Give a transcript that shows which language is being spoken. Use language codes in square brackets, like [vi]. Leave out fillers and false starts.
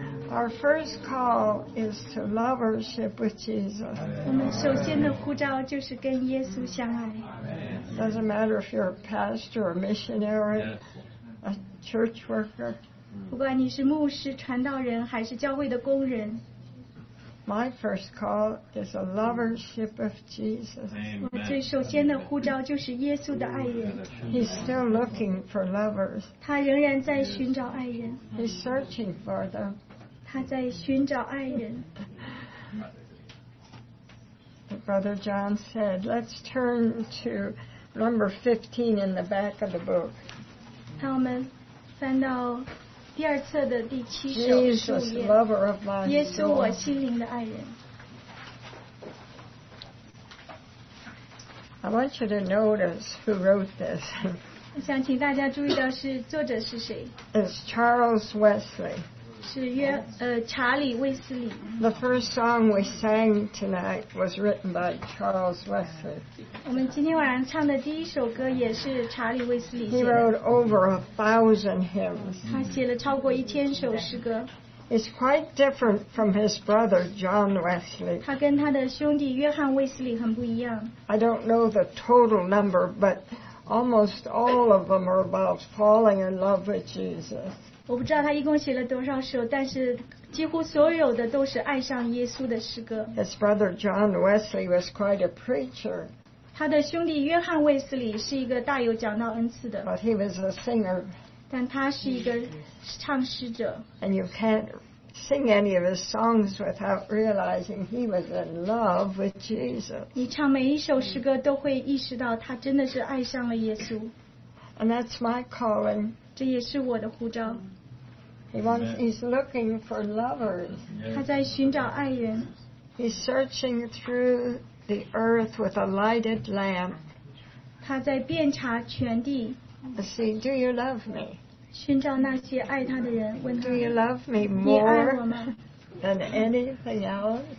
[en] Our first call is to love worship with Jesus. [zh] 我们首先的呼召就是跟耶稣相爱。 [en] Doesn't matter if you're a pastor, a missionary, a church worker. [zh] 不管你是牧师、传道人还是教会的工人。 [en] My first call is a lovership of Jesus. [zh] 我最首先的呼召就是耶稣的爱人。 [en] He's still looking for lovers. [zh] 他仍然在寻找爱人。 [en] He's searching for them. [zh] 他在寻找爱人。 [en] Brother John said, let's turn to number 15 in the back of the book. [zh] 那我们翻到第二册的第七首 [en] Jesus, lover of my soul. [zh] 耶稣我心灵的爱人。 [en] I want you to notice who wrote this. [zh] 我想请大家注意到是作者是谁。 [en] It's Charles Wesley. [zh] 是约查理·卫斯理。 [en] The first song we sang tonight was written by Charles Wesley. [zh] 我们今天晚上唱的第一首歌也是查理·卫斯理写的。 [en] He wrote over 1,000 hymns. [zh] 他写了超过1,000首诗歌。 [en] It's quite different from his brother John Wesley. [zh] 他跟他的兄弟约翰·卫斯理很不一样。 [en] I don't know the total number, but almost all of them are about falling in love with Jesus. [zh] 我不知道他一共写了多少首，但是几乎所有的都是爱上耶稣的诗歌。 [en] His brother John Wesley was quite a preacher. [zh] 他的兄弟约翰·卫斯理是一个大有讲道恩赐的。 [en] But he was a singer. [zh] 但他是一个唱诗者。 [en] And you can't sing any of his songs without realizing he was in love with Jesus. [zh] 你唱每一首诗歌都会意识到他真的是爱上了耶稣。 [en] And that's my calling. [zh] 这也是我的呼召。 [en] He's looking for lovers. [zh] 他在寻找爱人。 [en] He's searching through the earth with a lighted lamp. [zh] 他在遍查全地。 [en] See, do you love me? [zh] 寻找那些爱他的人，问他。 [en] Do you love me more than anything else?